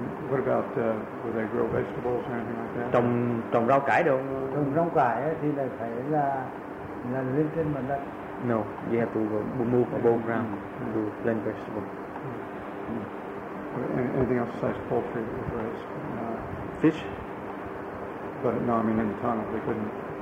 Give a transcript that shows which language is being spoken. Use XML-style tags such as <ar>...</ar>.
<en>What about where they grow vegetables or anything like that?</en> <vi>Trồng rau cải đâu? Trồng rau cải thì là phải là lên trên mặt đất.</vi> <en>No, you have to move above ground to plant vegetables. Anything else besides poultry that was raised? Fish? But no, I mean in the tunnel they couldn't.</en>